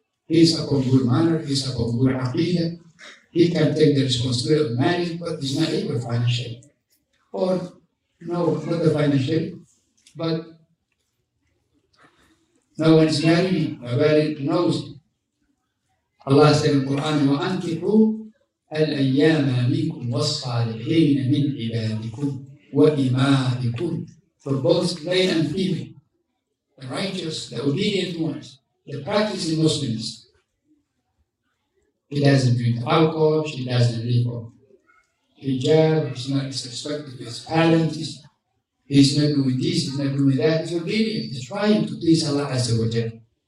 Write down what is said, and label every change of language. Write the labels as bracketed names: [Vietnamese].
[English] He's a good manner, he's a good aqidah. He can take the responsibility of marriage, but he's not able financially. Or, no, not the financial, but no one is marrying, nobody knows. Allah said in the Quran, [Arabic] وَأَنْكِحُوا الْأَيَّامَ مِنْكُمْ وَالصَّالِحِينَ مِنْ عِبَادِكُمْ وَإِمَادِكُمْ. [English] For both male and female, the righteous, the obedient ones, the practicing Muslims. He doesn't drink alcohol, she doesn't live on hijab, he's not disrespected to his parents, he's not doing this, he's not doing that, he's obedient, he's trying to please Allah Azza wa Jalla.